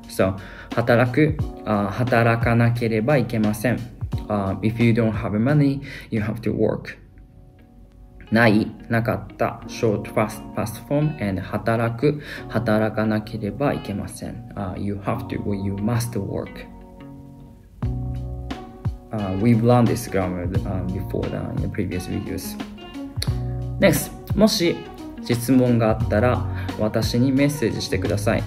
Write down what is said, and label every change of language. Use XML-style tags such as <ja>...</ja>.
<ja>So, 働く、働かなければいけません。</ja> <en>If you don't have money, you have to work.</en> <ja>ない。なかった。</ja> <en>short past form and</en> <ja>働く。働かなければいけません。</ja> <en>You have to or you must work. We've learned this grammar before that in the previous videos.</en> <ja>Next, もし質問があったら私にメッセージしてください。</ja>